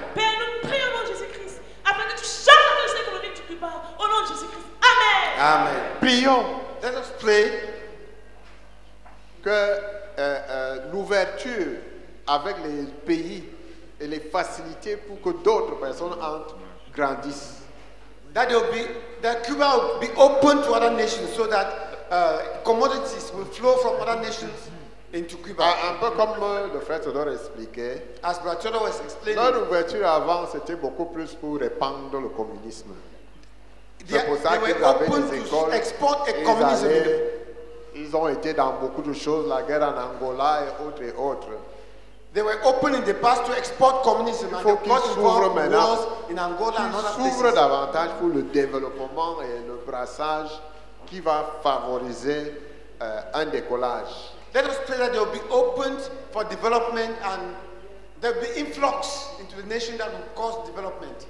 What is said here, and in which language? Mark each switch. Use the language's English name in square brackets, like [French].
[French] Père, nous prions au nom de Jésus-Christ. Afin que tu changes la situation économique du Cuba. Au nom de Jésus-Christ. Amen. Amen. Prions. [English] Let us pray. [French] Que l'ouverture avec les pays et les facilités pour que d'autres personnes entrent grandissent. [English] That Cuba will be open to other nations so that commodities will flow from other nations into Cuba. [French] Un peu comme le frère Todor expliquait. [English] As Brother Todor was explaining. [French] Leur ouverture avant c'était beaucoup plus pour répandre le communisme. [English] They were open to export a communism. [French] Ils ont été dans beaucoup de choses, la guerre en Angola et autres et autres. [English] They were open in the past to export communism and the plot involved wars in Angola and other places. [French] S'ouvre davantage pour le développement et le brassage qui va favoriser un décollage. [English] Let us pray that they will be opened for development and there will be influx into the nation that will cause development.